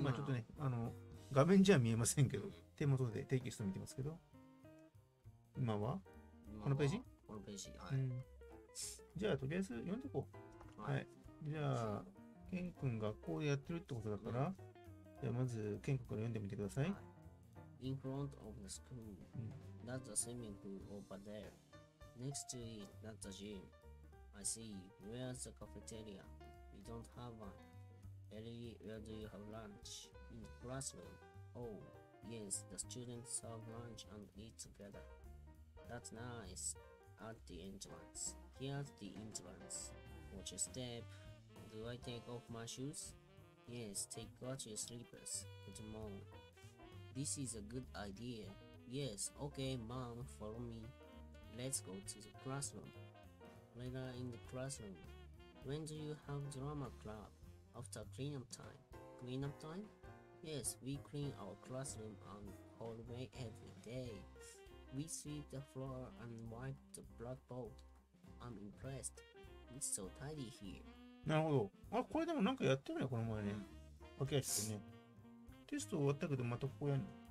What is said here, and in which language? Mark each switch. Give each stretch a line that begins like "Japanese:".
Japanese: 今ちょっとね、あの、画面じゃ見えませんけど、手元でテキスト見てますけど、今はこのページ? このページ、はい、うん。じゃあ、とりあえず読んでこう。はい。はい、じゃあ、ケン君学校でやってるってことだから、うん、じゃあまずケン君から読んでみてください。
English: はい、In front of the school,、うん、that's the swimming pool over there. Next to it, that's the gym. I see, where's the cafeteria? We don't have one. Ellie, where do you have lunch? In the classroom. Oh, yes, the students serve lunch and eat together. That's nice. At the entrance. Here's the entrance. Watch your step. Do I take off my shoes? Yes, take out your slippers. Put them on. This is a good idea. Yes, okay, mom, follow me. Let's go to the classroom. Later in the classroom. When do you have drama club? After cleanup time. Cleanup time? Yes, we clean our classroom and hallway every day. We sweep the floor and wipe the blackboard. I'm impressed. It's so tidy here.
Japanese: なるほど。あ、これでもなんかやってるよ、この前ね。掛け合ってね。テスト終わったけど、またここやんの。